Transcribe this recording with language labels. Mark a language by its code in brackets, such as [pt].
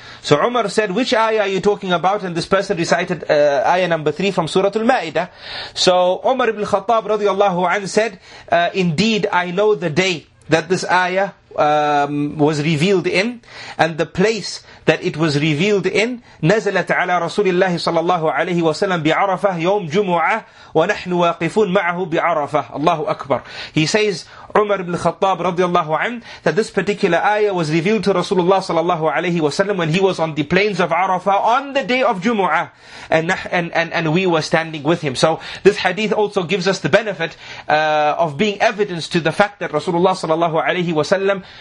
[en] So Umar said, which ayah are you talking about? And this person recited ayah number 3 from Surah Al-Ma'idah. So Umar ibn Khattab radiallahu anhu said, indeed I know the day that this ayah was revealed in, and the place that it was revealed in. [ar] نزلت على رسول الله صلى الله عليه وسلم بعرفة يوم جمعة ونحن واقفون معه بعرفة. الله أكبر. [en] He says, Umar ibn Khattab رضي الله عنه, that this particular ayah was revealed to Rasulullah صلى الله عليه وسلم when he was on the plains of Arafah on the day of Jumu'ah, and we were standing with him. So this hadith also gives us the benefit of being evidence to the fact that Rasulullah صلى الله عليه وسلم